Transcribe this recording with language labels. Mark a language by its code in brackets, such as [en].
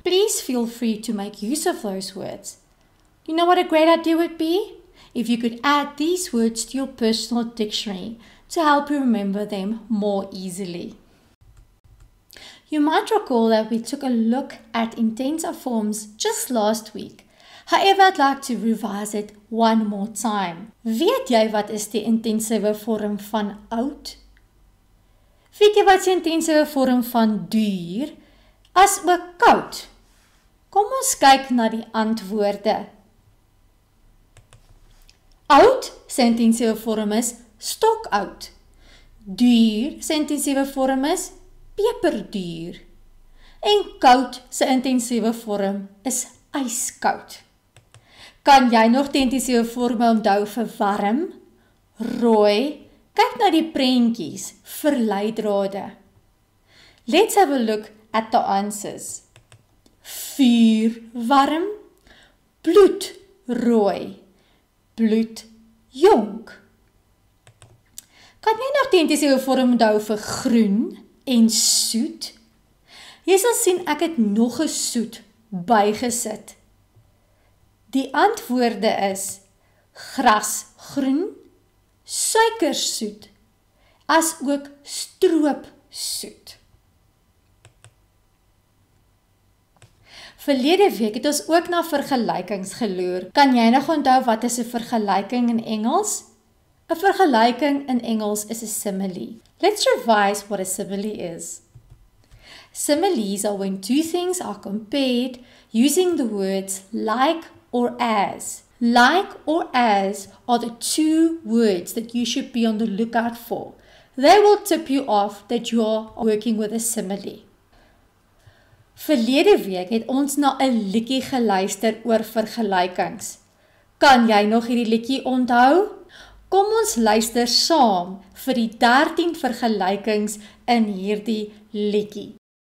[en] Please feel free to make use of those words. You know what a great idea would be? If you could add these words to your personal dictionary to help you remember them more easily. You might recall that we took a look at intensive forms just last week. However, I'd like to revise it one more time. [af] Weet jy wat is die intensive vorm van oud? Weet jy wat is die intensive vorm van duur? As ook koud? Kom ons kyk na die antwoorde. Oud se intensive vorm is stokoud. Duur se intensive vorm is peperduur. en koud se intensiewe vorm is ijskoud. Kan jy nog die intensiewe vorme onthou vir warm, rooi, kyk na die prentjies vir leidrade. [en] Let's have a look at the answers. [af] Vuur warm, bloed rooi, bloed jonk. Kan jy nog die intensiewe vorm onthou vir groen en soet? Jy sal sien ek het nog 'n soet bygesit. Die antwoorde is grasgroen, suikersoet, as ook stroopsoet. Verlede week het ons ook na vergelykings geloer. Kan jy nog onthou wat is 'n vergelyking in Engels? 'N Vergelyking in Engels is 'n simile. [en] Let's revise what a simile is. Similes are when two things are compared using the words like or as. Like or as are the two words that you should be on the lookout for. They will tip you off that you are working with a simile. [af] Verlede week het ons na 'n liedjie geluister oor vergelykings. Kan jy nog hierdie liedjie onthou? Kom ons luister saam vir die 13 vergelykings in hierdie liedjie.